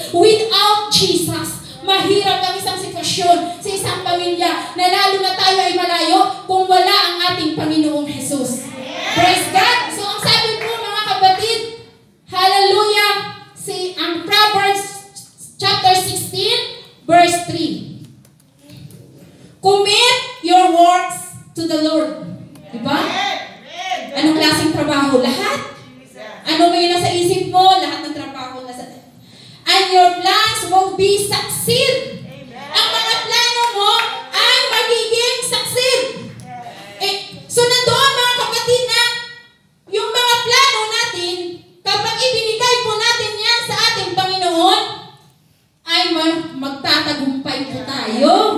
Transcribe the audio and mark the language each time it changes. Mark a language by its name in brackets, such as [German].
[English] Without Jesus, [Filipino] mahirap ang isang sitwasyon sa isang pamilya na lalo na tayo ay malayo kung wala ang ating Panginoong Jesus. [English] Praise God! [Filipino] So ang sabi po, mga kapatid, hallelujah, si ang Proverbs chapter 16, verse 3. [English] Commit your works to the Lord. [Filipino] Diba? Anong klaseng trabaho? Lahat? Ano may nasa isip mo? Lahat ng trabaho nasa... [English] And your plans will be succeed. [Filipino] Ang mga plano mo ay magiging succeed. Eh, so nandoon mga kapatid na yung mga plano natin, kapag ibinigay po natin yan sa ating Panginoon, ay magtatagumpay po tayo.